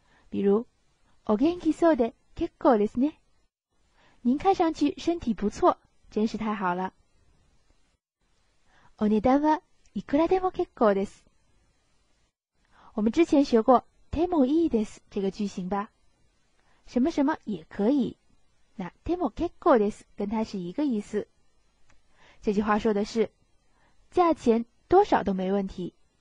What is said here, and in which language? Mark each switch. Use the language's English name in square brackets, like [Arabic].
[Japanese] 比如，お元気そうで結構ですね。 [Chinese] 您看上去身体不错，真是太好了。 [Japanese] お値段はいくらでも結構です。 [Chinese] 我们之前学过でもいいです这个句型吧，什么什么也可以，那でも結構です跟它是一个意思。这句话说的是价钱多少都没问题。